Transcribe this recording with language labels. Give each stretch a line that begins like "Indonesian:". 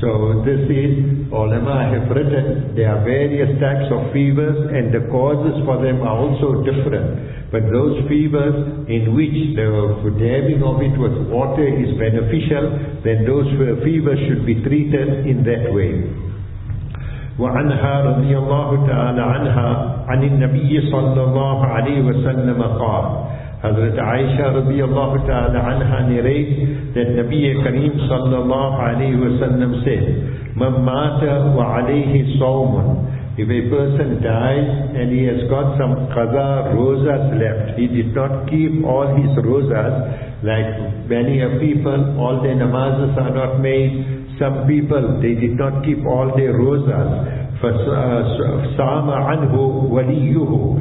English: So this is, ulama have written, there are various types of fevers and the causes for them are also different. But those fevers in which the dabbing of it with water is beneficial, then those fevers should be treated in that way.
Arabic: وعنها رضي الله تعالى عنها عن النبي صلى الله عليه وسلم قال.
English: Hazrat Aisha رضي الله تعالى عنها narrates that Nabi Kareem صلى الله عليه وسلم said,
Arabic: من مات وعليه صوم.
English: If a person dies and he has got some qaza rozas left, he did not keep all his rozas, like many a people, all their namazas are not made. Some people, they did not keep all their rozas.
Arabic: فَسَامَ عَنْهُ وَلِيُّهُ.